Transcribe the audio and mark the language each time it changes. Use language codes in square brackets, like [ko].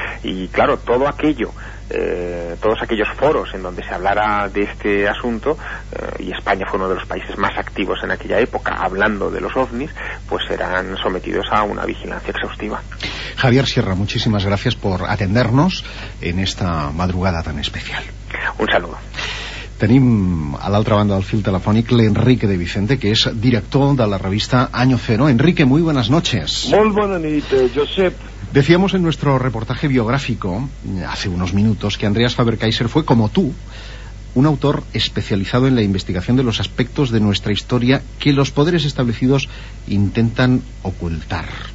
[es] Y claro, todo aquello, todos aquellos foros en donde se hablara de este asunto, y España fue uno de los países más activos en aquella época hablando de los ovnis, pues serán sometidos a una vigilancia exhaustiva. Javier Sierra, muchísimas gracias por atendernos en esta madrugada tan especial. Un saludo. [ca] Tenim a l'altra banda del fil telefònic l'Enrique de Vicente, que és director de la revista Año Cero. [es] Enrique, muy buenas noches. [ca] Molt bona nit, Josep. [es] Decíamos en nuestro reportaje biográfico, hace unos minutos, que Andreas Faber-Kaiser fue, como tú, un autor especializado en la investigación de los aspectos de nuestra historia que los poderes establecidos intentan ocultar.